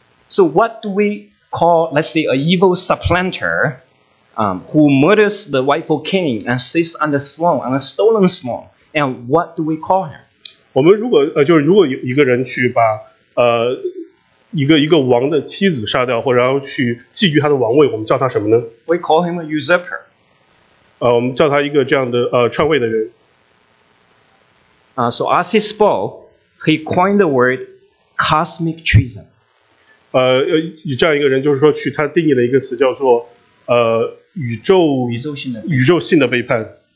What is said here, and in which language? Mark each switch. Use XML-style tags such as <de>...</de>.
<en>So what do we call, let's say, a evil supplanter, who murders the rightful king and sits on the throne, on a stolen throne, and what do we call him?</en> <zh>我们如果一个人去把一个王的妻子杀掉，或者然后去觊觎他的王位，我们叫他什么呢？</zh> <en>We call him a usurper.</en> <zh>我们叫他一个这样的篡位的人。</zh> <en>So as he spoke, he coined the word cosmic treason.</en> <zh>以这样一个人就是说去他定义了一个词叫做宇宙性的背叛。</zh>